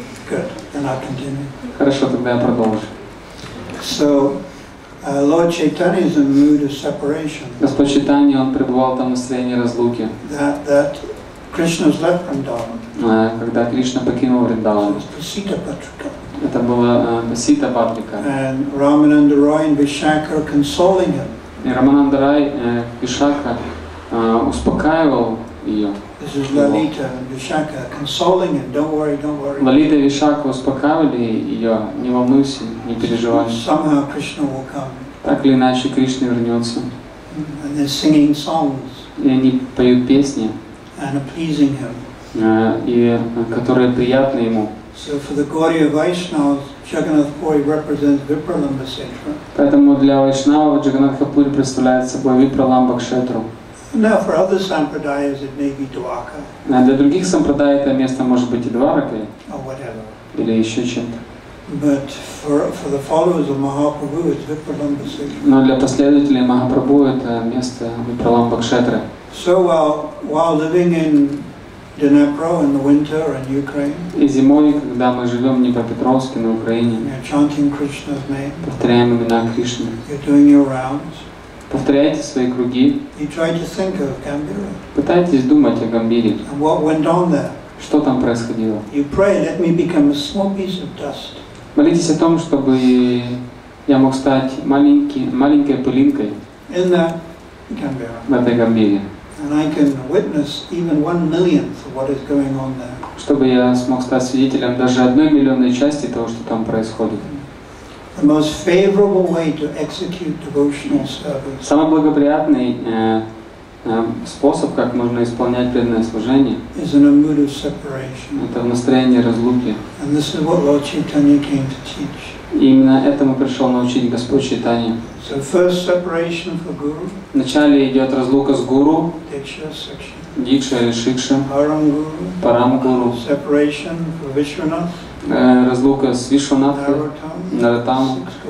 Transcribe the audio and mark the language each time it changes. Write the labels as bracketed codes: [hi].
[en] Good. Then I continue. [ru] Хорошо, тогда я продолжу. [en] So, Lord Chaitanya is in a mood of separation. [ru] Господь Чайтанья, он пребывал там в настроении разлуки. [en] That Krishna's left Vrindavan. [ru] Когда Кришна покинул Вриндаван. [en] So it's Pasita Patrika. [ru] Это была Pasita Patrika. [en] And Ramananda Roy and Vishakha are consoling him. [ru] И Рамананда Рай, Вишакха, успокаивал ее. [en] This is Lalita and Vishakha consoling him. Don't worry, don't worry. [ru] Лалита и Вишакха успокаивали ее. Не волнуйся, не переживай. [en] Somehow Krishna will come. [ru] Так или иначе Кришна вернется. [en] And they're singing songs. [ru] И они поют песни. [en] And pleasing him. [ru] И которые приятны ему. [en] So for the Gaudiya Vaishnavas, Jagannath Puri represents Vipralamba Kshetra. [ru] Поэтому для Вайшнава Джаганнат Пури представляет собой Випраламба Кшетру. [en] Now for other sampradayas it may be Dwarka. [ru] А для других сампрадай это место может быть и Дваракой. [en] Or whatever. [ru] Или еще чем-то. [en] But for the followers of Mahaprabhu it's Vipralamba Kshetra. [ru] Но для последователей Махапрабху это место Випраламба Кшетра. [en] So while living in Dnipro in the winter in Ukraine. [ru] И зимой, когда мы живем в Днепропетровске на Украине. [en] You're chanting Krishna's name. [ru] Повторяем имена Кришны. [en] You're doing your rounds. [ru] Повторяйте свои круги. [en] You try to think of Gambiri. [ru] Пытайтесь думать о Гамбире. [en] And what went on there? [ru] Что там происходило? [en] You pray, let me become a small piece of dust. [ru] Молитесь о том, чтобы я мог стать маленькой пылинкой в этой Гамбире. [en] And I can witness even 1/1000th of what is going on there. [ru] Чтобы я смог стать свидетелем даже 1/1000000 части того, что там происходит. [en] The most favorable way to execute devotional service. [ru] Самый благоприятный способ, как можно исполнять преданное служение. [en] Is in a mood of separation. [ru] Это в настроении разлуки. [en] And this is what Lord Chaitanya came to teach. [ru] Именно этому пришел научить Господь Чайтанья. [en] So first separation for guru. [ru] Вначале идет разлука с гуру. Дикша, сикша. Дикша или шикша. Парам гуру. Парам гуру. [en] Separation for Вишванатх. [ru] Разлука с Вишванатхой. Наратам.